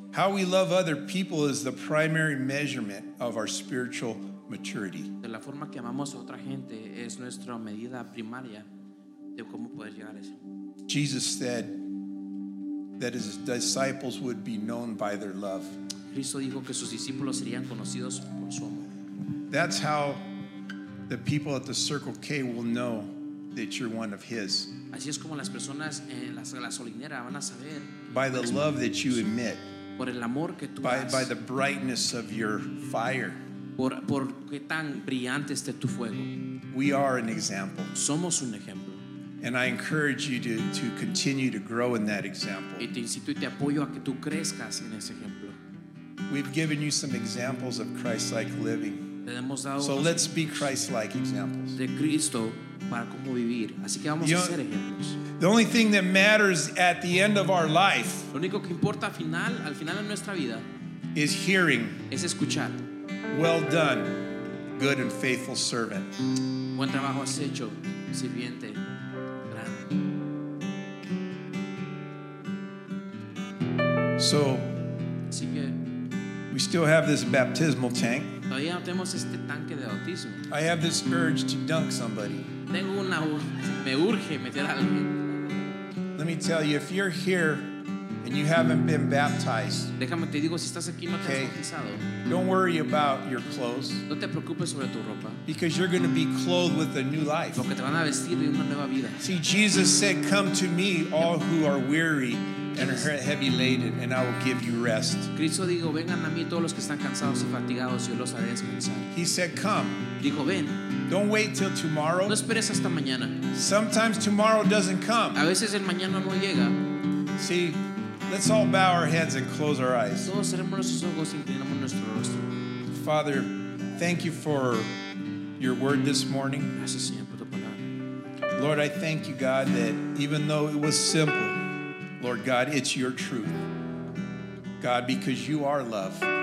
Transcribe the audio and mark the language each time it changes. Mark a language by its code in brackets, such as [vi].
[en] How we love other people is the primary measurement of our spiritual maturity. [es] De la forma que amamos a otra gente es nuestra medida primaria de cómo poder llegar a eso. [en] Jesus said that his disciples would be known by their love. [es] Cristo dijo que sus discípulos serían conocidos por su amor. [en] That's how the people at the Circle K will know that you're one of his. [es] Así es como las personas en la solinera van a saber [en] by the love that you emit. [es] Por el amor que tú das. [en] By the brightness of your fire. [es] Por qué tan brillante esté tu fuego. [en] We are an example. [es] Somos un ejemplo. [en] And I encourage you to continue to grow in that example. [es] Y te incito y te apoyo a que tú crezcas en ese ejemplo. [en] We've given you some examples of Christ-like living. So let's be Christ-like examples. [es] De Cristo para cómo vivir. Así que vamos a ser ejemplos. [en] The only thing that matters at the end of our life. [es] Lo único que importa al final de nuestra vida. [en] Is hearing. [es] Es escuchar. [en] Well done, good and faithful servant. [es] Buen trabajo has hecho, sirviente. [en] So, [es] así que, [en] we still have this baptismal tank. [es] Todavía no tenemos este tanque de bautismo. [en] I have this urge to dunk somebody. [es] Tengo una, me urge meter a alguien. [en] Let me tell you, if you're here and you haven't been baptized, [es] déjame te digo, si estás aquí, no [en] okay, [es] te has bautizado, [en] don't worry about your clothes. [es] No te preocupes sobre tu ropa. [en] Because you're going to be clothed with a new life. [es] Porque te van a vestir de una nueva vida. [en] See, Jesus said, come to me, all who are weary and are heavy laden, and I will give you rest. [es] Cristo dijo, vengan a mí todos los que están cansados y fatigados, yo los haré descansar. [en] He said, come. [es] Dijo, ven. [en] Don't wait till tomorrow. [es] No esperes hasta mañana. [en] Sometimes tomorrow doesn't come. [es] A veces el mañana no llega. [en] See, let's all bow our heads and close our eyes. [es] Todos cerremos nuestros ojos y inclinamos nuestro rostro. [en] Father, thank you for your word this morning. [es] Gracias, Señor, por tu palabra. [en] Lord, I thank you, God, that even though it was simple, Lord God, it's your truth. God, because you are love.